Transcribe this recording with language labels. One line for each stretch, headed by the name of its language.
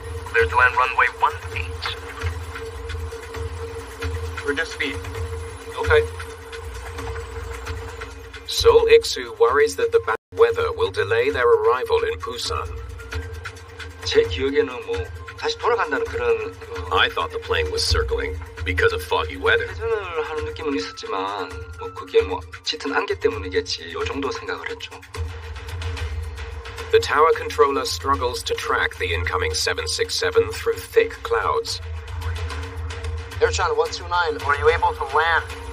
English: Cleared to land runway 18. Reduce speed. Okay. Sol Iksu worries that the bad weather will delay their arrival in Busan.
Korean: 제 기억에는 뭐 다시 돌아간다는 그런.
English: I thought the plane was circling because of foggy weather.
Korean: 회전을 하는 느낌은 있었지만 뭐 그게 뭐 짙은 안개 때문이겠지 요 정도 생각을 했죠.
English: The tower controller struggles to track the incoming 767 through thick clouds. Air China 129, are you able to land?